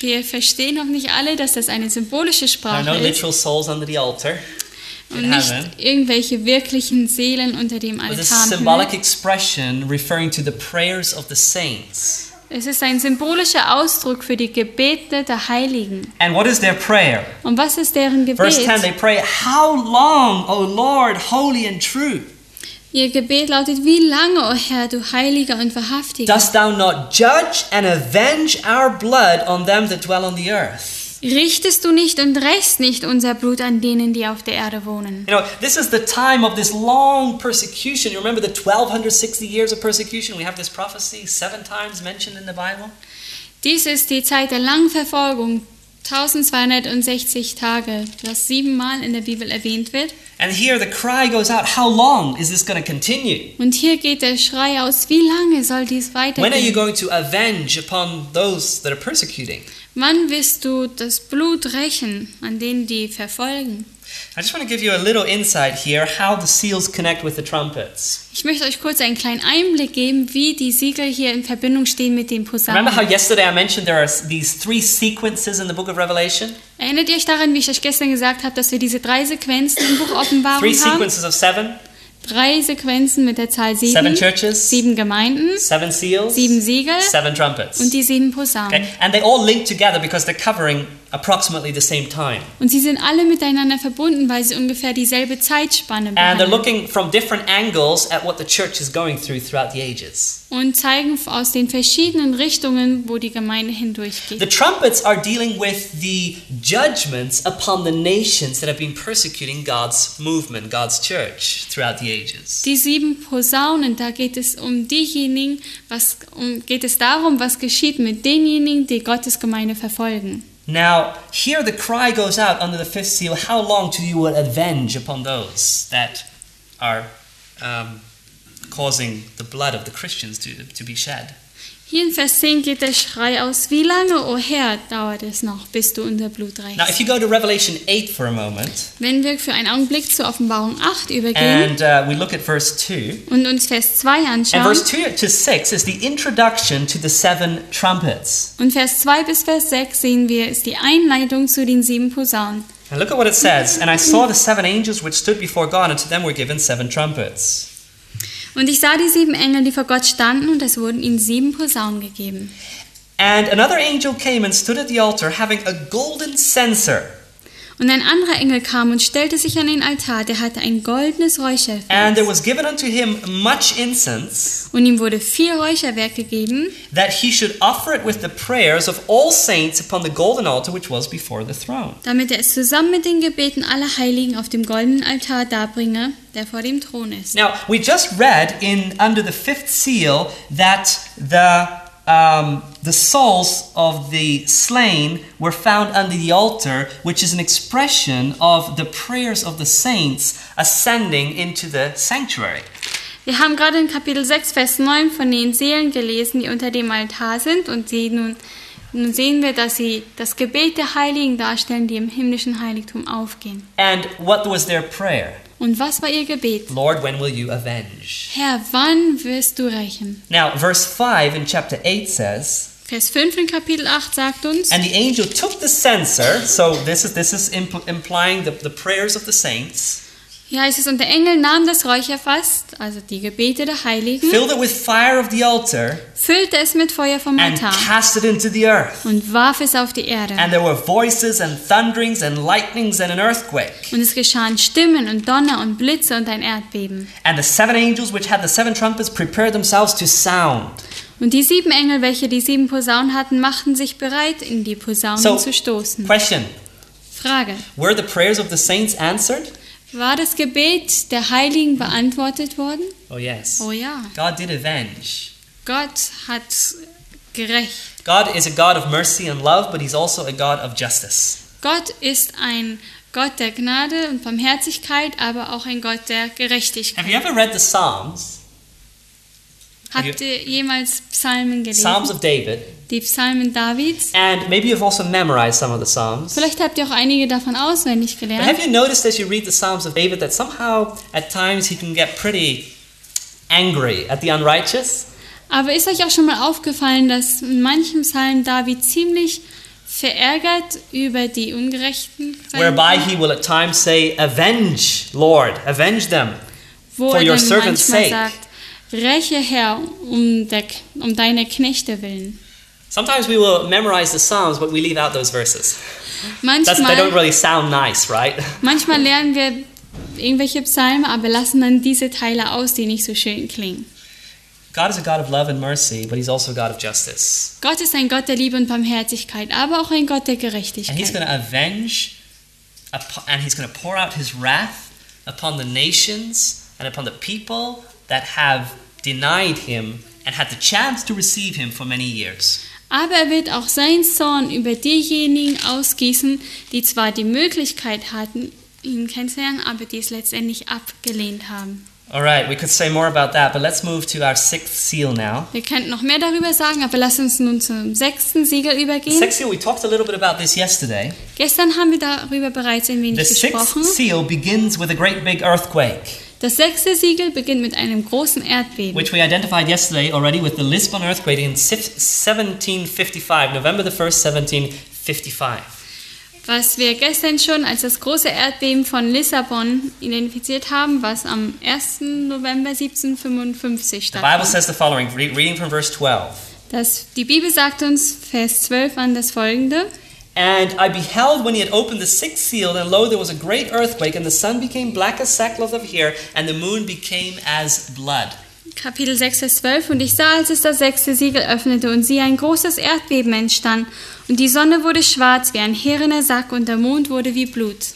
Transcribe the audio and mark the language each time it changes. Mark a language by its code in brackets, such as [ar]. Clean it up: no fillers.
[de] Wir verstehen noch nicht alle, dass das eine symbolische Sprache ist. [en] There are no literal souls under the altar. [de] Und nicht irgendwelche wirklichen Seelen unter dem Altar. [en] But this symbolic expression referring to the prayers of the saints. [de] Es ist ein symbolischer Ausdruck für die Gebete der Heiligen. [en] And what is their prayer? [de] Und was ist deren Gebet? [en] Verse 10, they pray, How long, O Lord, holy and true? [de] Ihr Gebet lautet, Wie lange, O Herr, du Heiliger und Wahrhaftiger? [en] Dost thou not judge and avenge our blood on them that dwell on the earth? [de] Richtest du nicht und rächst nicht unser Blut an denen, die auf der Erde wohnen? [en] You know, this is the time of this long persecution. You remember the 1260 years of persecution? We have this prophecy 7 times mentioned in the Bible. [de] Dies ist die Zeit der langen Verfolgung, 1260 Tage, das 7-mal in der Bibel erwähnt wird. [en] And here the cry goes out, how long is this going to continue? [de] Und hier geht der Schrei aus, wie lange soll dies weitergehen? [en] When are you going to avenge upon those that are persecuting? [de] Wann wirst du das Blut rächen an denen, die verfolgen? [en] I just want to give you a little insight here, how the seals connect with the trumpets. [de] Ich möchte euch kurz einen kleinen Einblick geben, wie die Siegel hier in Verbindung stehen mit dem Posaunen. [en] Remember how yesterday I mentioned there are these 3 sequences in the book of Revelation? [de] Erinnert ihr euch daran, wie ich euch gestern gesagt habe, dass wir diese 3 Sequenzen im Buch Offenbarung 3 haben? [en] 3 sequences of 7. [de] 3 Sequenzen mit der Zahl 7. [en] 7 churches. [de] 7 Gemeinden. [en] 7 seals. [de] 7 Siegel. [en] 7 trumpets. [de] Und die 7 Posaunen. [en] Okay. And they all link together because they're covering approximately the same time. [de] Und sie sind alle miteinander verbunden, weil sie ungefähr dieselbe Zeitspanne behandeln. [en] And they're looking from different angles at what the church is going through throughout the ages. [de] Und zeigen aus den verschiedenen Richtungen, wo die Gemeinde hindurchgeht. [en] The trumpets are dealing with the judgments upon the nations that have been persecuting God's movement, God's church throughout the ages. [de] Die 7 Posaunen, da geht es um diejenigen, was geschieht mit denjenigen, die Gottes Gemeinde verfolgen. [en] Now, here the cry goes out under the fifth seal, how long till you will avenge upon those that are causing the blood of the Christians to be shed? [de] Hier in Vers 10 geht der Schrei aus, wie lange, o Herr, dauert es noch, bis du unser Blut reichst? [en] Now, if you go to Revelation 8 for a moment, [de] wenn wir für einen Augenblick zur Offenbarung 8 übergehen, [en] and we look at verse 2, [de] und uns Vers 2 anschauen, [en] and verse 2 to 6 is the introduction to the 7 trumpets. [de] Und Vers 2 bis Vers 6 sehen wir, ist die Einleitung zu den 7 Posaunen. [en] And look at what it says, and I saw the 7 angels which stood before God, and to them were given 7 trumpets. [de] Und ich sah die 7 Engel, die vor Gott standen, und es wurden ihnen 7 Posaunen gegeben. [en] And another angel came and stood at the altar, having a golden censer. [de] Und ein anderer Engel kam und stellte sich an den Altar, der hatte ein goldenes Räucherfest. [en] And there was given unto him much incense. [de] Und ihm wurde viel Räucherwerk gegeben. [en] That he should offer it with the prayers of all saints upon the golden altar which was before the throne. [de] Damit er es zusammen mit den Gebeten aller Heiligen auf dem goldenen Altar darbringe, der vor dem Thron ist. [en] Now, we just read in under the fifth seal that the the souls of the slain were found under the altar, which is an expression of the prayers of the saints ascending into the sanctuary. [de] Wir haben gerade in Kapitel 6, Vers 9 von den Seelen gelesen, die unter dem Altar sind, und sie nun sehen wir, dass sie das Gebet der Heiligen darstellen, die im himmlischen Heiligtum aufgehen. [en] And what was their prayer? [de] Und was war ihr Gebet? [en] Lord, when will you avenge? [de] Herr, wann wirst du rächen? [en] Now, verse 5 in chapter 8 says, [de] Vers 5 in Kapitel 8 sagt uns, [en] and the angel took the censer, so this is implying the prayers of the saints. [de] Hier heißt es, und der Engel nahm das Räucherfass, also die Gebete der Heiligen, [en] filled it with fire of the altar, [de] füllte es mit Feuer vom Altar, [en] and cast it into the earth, [de] und warf es auf die Erde. [en] And there were voices and thunderings and lightnings and an earthquake. [de] Und es geschahen Stimmen und Donner und Blitze und ein Erdbeben. [en] And the seven angels which had the seven trumpets prepared themselves to sound. [de] Und die sieben Engel, welche die sieben Posaunen hatten, machten sich bereit, in die Posaunen [en] so, [de] zu stoßen. [en] Question. [de] Frage. [en] Were the prayers of the saints answered? [de] War das Gebet der Heiligen beantwortet worden? [en] Oh yes. [de] Oh ja. [en] God did avenge. [de] Gott hat gerecht. [en] God is a God of mercy and love, but he's also a God of justice. [de] Gott ist ein Gott der Gnade und Barmherzigkeit, aber auch ein Gott der Gerechtigkeit. [en] Have you ever read the Psalms? [de] Habt ihr jemals Psalmen gelesen? [en] Psalms of David. [de] Die Psalmen Davids. [en] And maybe you've also memorized some of the Psalms. [de] Vielleicht habt ihr auch einige davon auswendig gelernt. [en] But have you noticed as you read the Psalms of David that somehow at times he can get pretty angry at the unrighteous? [de] Aber ist euch auch schon mal aufgefallen, dass in manchen Psalmen David ziemlich verärgert über die Ungerechten sein? [en] Whereby he will at times say, "Avenge, Lord, avenge them for your servant's sake." [de] Sagt, räche Herr um deine Knechte willen. [en] Sometimes we will memorize the Psalms, but we leave out those verses. [de] Manchmal, [en] they don't really sound nice, right? [de] Manchmal lernen wir irgendwelche Psalmen, aber lassen dann diese Teile aus, die nicht so schön klingen. [en] God is a God of love and mercy, but he's also a God of justice. [de] Gott ist ein Gott der Liebe und Barmherzigkeit, aber auch ein Gott der Gerechtigkeit. [en] And he's going to avenge, and he's going to pour out his wrath upon the nations and upon the people that have denied him and had the chance to receive him for many years. [de] Aber er wird auch seinen Zorn über diejenigen ausgießen, die zwar die Möglichkeit hatten, ihn kennenzulernen, aber die es letztendlich abgelehnt haben. [en] All right, we could say more about that, but let's move to our sixth seal now. [de] Wir könnten noch mehr darüber sagen, aber lass uns nun zum sechsten Siegel übergehen. [en] The sixth seal, we talked a little bit about this yesterday. [de] Gestern haben wir darüber bereits ein wenig gesprochen. [en] The sixth seal begins with a great big earthquake. [de] Das sechste Siegel beginnt mit einem großen Erdbeben. [en] Which we identified yesterday already with the Lisbon earthquake in 1755, November the 1st, 1755. [de] Was wir gestern schon als das große Erdbeben von Lissabon identifiziert haben, was am 1. November 1755 stattfand. [en] The Bible says the following, reading from verse 12. [de] Die Bibel sagt uns, Vers 12 an das folgende. [en] And I beheld when he had opened the sixth seal, and lo, there was a great earthquake, and the sun became black as sackcloth of hair, and the moon became as blood. [de] Kapitel 6, Vers 12. Und ich sah, als es das sechste Siegel öffnete, und siehe, ein großes Erdbeben entstand, und die Sonne wurde schwarz wie ein härener Sack, und der Mond wurde wie Blut.